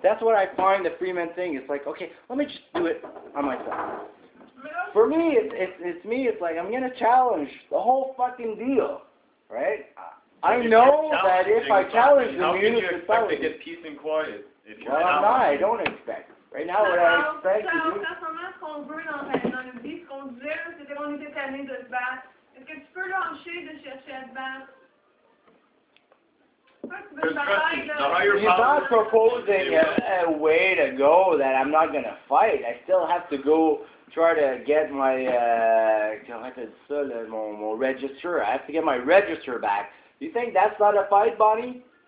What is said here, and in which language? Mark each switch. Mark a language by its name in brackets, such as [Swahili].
[English] That's what I find the free man thing. It's like, okay, let me just do it on myself. For me, it's like I'm going to challenge the whole fucking deal, right? I know that if I challenge the community, how can you expect to get peace and quiet? Well, I'm not. I don't expect. Right now, what I expect is... [French] Ça ressemble à ce qu'on veut dans la vie, ce qu'on dit, c'est qu'on était tanné de se battre. Est-ce que tu peux lâcher de chercher à se battre? [English] You're not proposing a way to go that I'm not going to fight. I still have to go try to get my register. I have to get my register back. You think that's not a fight, Bonnie?